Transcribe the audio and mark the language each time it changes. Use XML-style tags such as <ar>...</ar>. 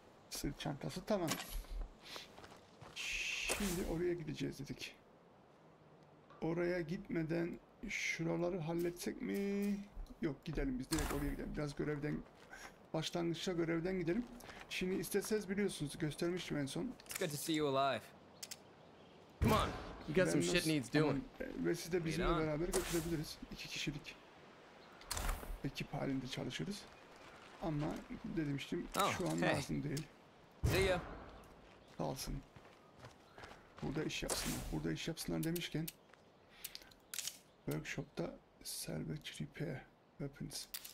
<tr>Sırt çantası tamam. Şimdi oraya gideceğiz dedik. Oraya gitmeden şuraları halletsek mi? Yok gidelim biz direkt oraya gidelim. Biraz görevden... Başlangıçta görevden gidelim. Şimdi isteseniz biliyorsunuz göstermiştim en son.</tr> <en>Good to see you alive. Come on, you got some shit needs doing.</en> <tr>Ve siz de bizimle beraber götürebiliriz. İki kişilik ekip halinde çalışırız. Ama demiştim şu an lazım değil.</tr> <en>See ya.</en> <tr>Kalsın. Burada iş yapsınlar. Burada iş yapsınlar demişken. Workshop'ta</tr> <en>salvage repair weapons.</en>